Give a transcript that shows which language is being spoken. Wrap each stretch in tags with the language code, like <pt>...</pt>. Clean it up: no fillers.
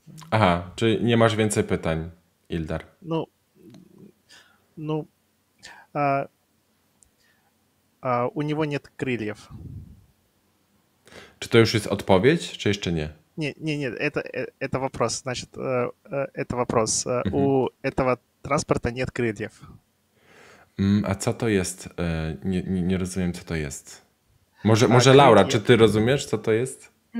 <pl>Aha, czyli nie masz więcej pytań, Ildar? No.</pl> <ru>У него нет крыльев.</ru> <pl>Czy to już jest odpowiedź, czy jeszcze nie?</pl> <ru>Nie, это вопрос. Значит, это вопрос. У этого транспорта нет крыльев.</ru> <pl>A co to jest? Nie rozumiem, co to jest. Może Laura, czy ty rozumiesz, co to jest?</pl>